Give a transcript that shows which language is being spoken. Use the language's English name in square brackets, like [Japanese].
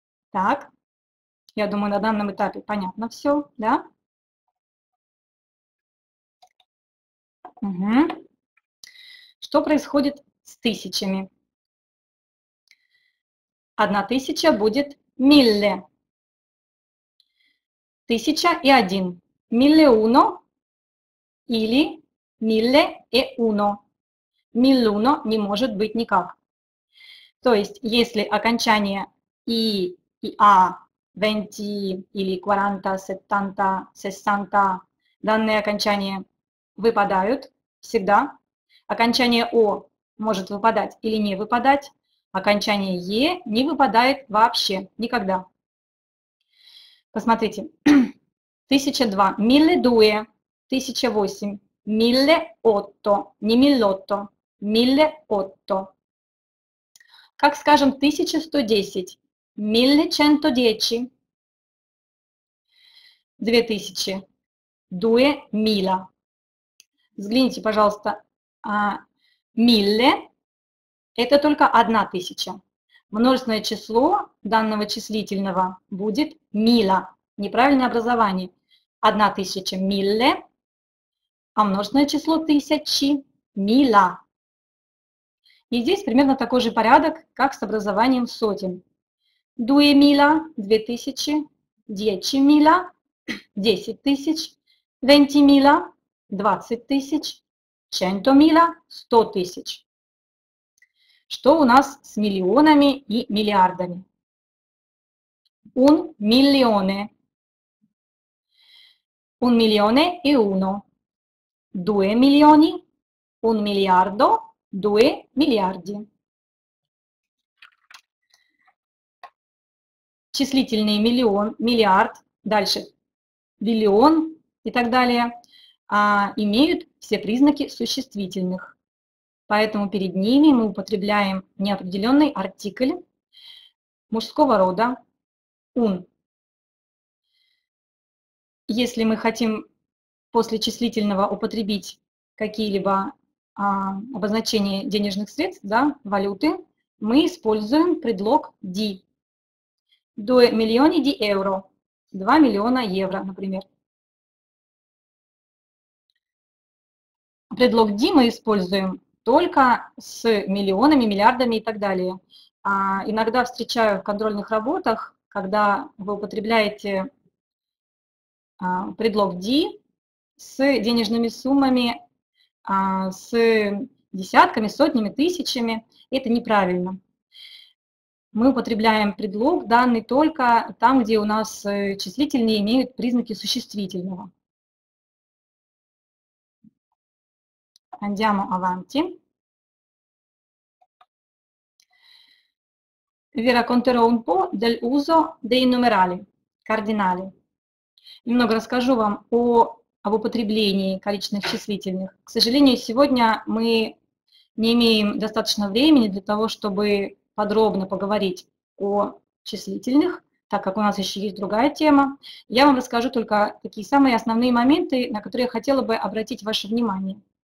[Russian] Так, я думаю, на данном этапе понятно все, да? Угу. Что происходит с тысячами? Одна тысяча будет «mille». Тысяча и один. [Italian] «Mille uno» или «Mille e uno». «Mille uno» [Russian] не может быть никак. То есть, если окончание «i» и «a» – «venti» или «quaranta», «settanta», «sessanta» – данные окончания выпадают всегда. Окончание «o» может выпадать или не выпадать. Окончание «e» не выпадает вообще, никогда. Посмотрите. «Тысяча два». [Italian] «Mille due». [Russian] «Тысяча восемь». [Italian] «Mille otto», не «миллотто», «mille otto». [Russian] Как скажем [Italian] «1110», «mille cento dieci», [Russian] «две тысячи», [Italian] «due mila». [Russian] Взгляните, пожалуйста, «mille» – это только одна тысяча. Множественное число данного числительного будет «mila». Неправильное образование. «Одна тысяча» – «mille». А множественное число тысячи – мила. И здесь примерно такой же порядок, как с образованием сотен. [Italian] Дуэ мила [Russian] – две тысячи, [Italian] дечи мила [Russian] – десять тысяч, [Italian] венти мила [Russian] – двадцать тысяч, [Italian] ченто мила [Russian] – сто тысяч. Что у нас с миллионами и миллиардами? [Italian] Un milione. Un milione e uno. Due milioni, un miliardo, due miliardi. [Russian] Числительные миллион, миллиард, дальше биллион и так далее, имеют все признаки существительных. Поэтому перед ними мы употребляем неопределенный артикль мужского рода un. Если мы хотим после числительного употребить какие-либо обозначения денежных средств, да, валюты, мы используем предлог «di». [Italian] «Due milioni di euro» [Russian] – 2 миллиона евро, например. Предлог «di» мы используем только с миллионами, миллиардами и так далее. Иногда встречаю в контрольных работах, когда вы употребляете предлог «ди» с денежными суммами, с десятками, сотнями, тысячами. Это неправильно. Мы употребляем предлог данный только там, где у нас числительные имеют признаки существительного. [Italian] Andiamo avanti. Vi racconterò un po' dell'uso dei numerali, cardinali. [Russian] Немного расскажу вам об употреблении количественных числительных. К сожалению, сегодня мы не имеем достаточно времени для того, чтобы подробно поговорить о числительных, так как у нас еще есть другая тема. Я вам расскажу только такие самые основные моменты, на которые я хотела бы обратить ваше внимание.